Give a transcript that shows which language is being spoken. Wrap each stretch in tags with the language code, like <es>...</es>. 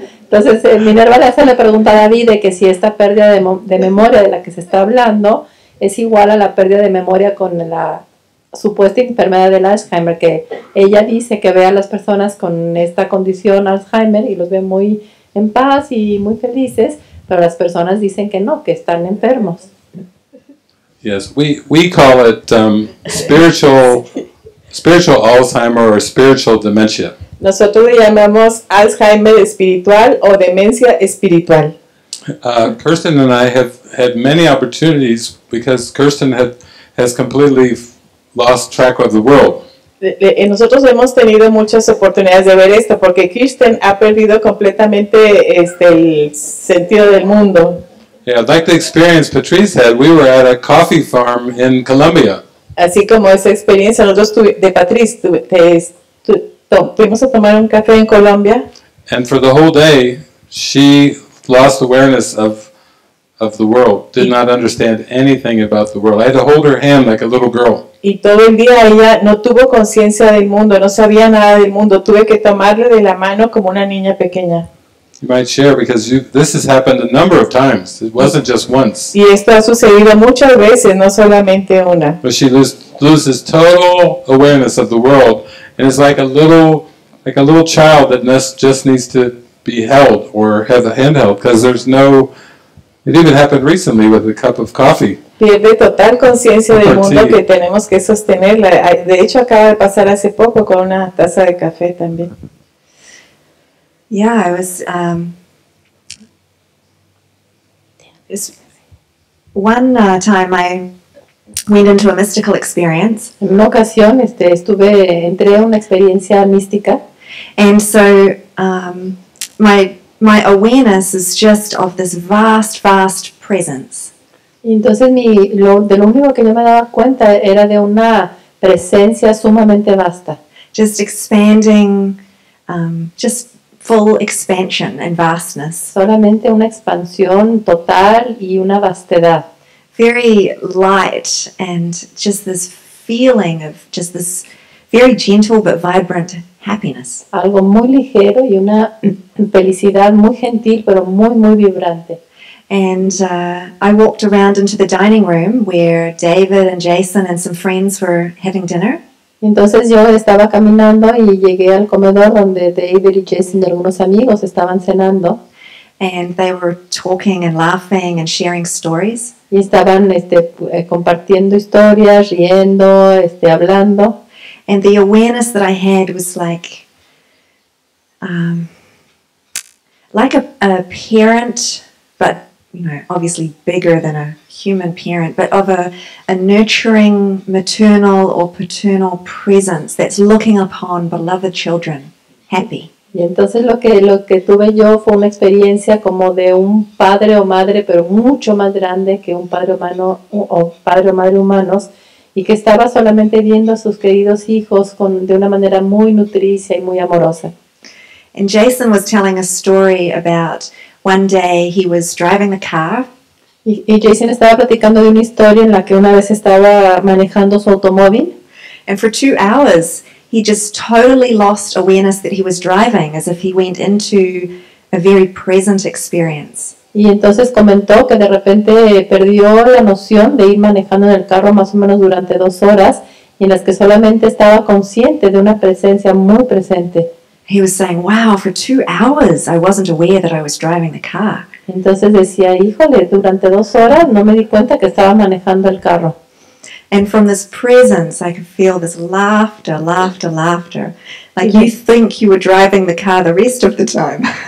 <es>Entonces, Minerva le hace la pregunta a David de que si esta pérdida de memoria de la que se está hablando es igual a la pérdida de memoria con la supuesta enfermedad del Alzheimer, que ella dice que ve a las personas con esta condición Alzheimer y los ve muy en paz y muy felices, pero las personas dicen que no, que están enfermos.</es> <en>Yes, we call it spiritual Alzheimer or spiritual dementia.</en> <es>Nosotros le llamamos Alzheimer espiritual o demencia espiritual.</es> <en>Kirsten and I have had many opportunities because Kirsten has completely lost track of the world.</en> <es>Nosotros hemos tenido muchas oportunidades de ver esto porque Kirsten ha perdido completamente el sentido del mundo.</es> <en>Yeah, like the experience Patrice had, we were at a coffee farm in Colombia.</en> <es>Así como esa experiencia nosotros de Patrice tuvimos a tomar un café en Colombia.</es> <en>And for the whole day, she lost awareness of the world, did not understand anything about the world. I had to hold her hand like a little girl.</en> <es>Y todo el día ella no tuvo conciencia del mundo, no sabía nada del mundo. Tuve que tomarle de la mano como una niña pequeña.</es> <en>You might share because this has happened a number of times. It wasn't just once.</en> <es>Y esto ha sucedido muchas veces, no solamente una.</es> <en>But she loses total awareness of the world, and it's like a little child that just needs to be held or have a handheld because there's no. It even happened recently with a cup of coffee.</en> <es>Pierde total conciencia del mundo que tenemos que sostenerla. De hecho, acaba de pasar hace poco con una taza de café también.</es> <en>Yeah, I was. This one time, I went into a mystical experience.</en> <es>En una ocasión, entré a una experiencia mística.</es> <en>And so, my awareness is just of this vast, vast presence.</en> <es>Y entonces, lo único que yo me daba cuenta era de una presencia sumamente vasta.</es> <en>Just expanding, full expansion and vastness.</en> <es>Solamente una expansión total y una vastedad.</es> <en>Very light and just this feeling of just this very gentle but vibrant happiness.</en> <es>Algo muy ligero y una felicidad muy gentil pero muy muy vibrante.</es> <en>And I walked around into the dining room where David and Jason and some friends were having dinner.</en> <es>Entonces yo estaba caminando y llegué al comedor donde David y Jason y algunos amigos estaban cenando.</es> <en>And they were talking and laughing and sharing stories.</en> <es>Y estaban compartiendo historias, riendo, hablando.</es> <en>And the awareness that I had was like a parent, but obviously bigger than a human parent, but of a nurturing maternal or paternal presence that's looking upon beloved children happy.</en> <es>Y entonces lo que tuve yo fue una experiencia como de un padre o madre, pero mucho más grande que un padre humano o padre o madre humanos, y que estaba solamente viendo a sus queridos hijos con de una manera muy nutricia y muy amorosa.</es> <en>And Jason was telling a story about one day he was driving the car.</en> <es>Y Jason estaba platicando de una historia en la que una vez estaba manejando su automóvil.</es> <en>And for 2 hours, he just totally lost awareness that he was driving, as if he went into a very present experience.</en> <es>Y entonces comentó que de repente perdió la noción de ir manejando en el carro más o menos durante 2 horas, y en las que solamente estaba consciente de una presencia muy presente.</es> <en>He was saying, wow, for 2 hours, I wasn't aware that I was driving the car.</en> <es>Entonces decía, híjole, durante 2 horas no me di cuenta que estaba manejando el carro.</es> <en>And from this presence, I could feel this laughter, laughter, laughter. Like you think you were driving the car the rest of the time.</en>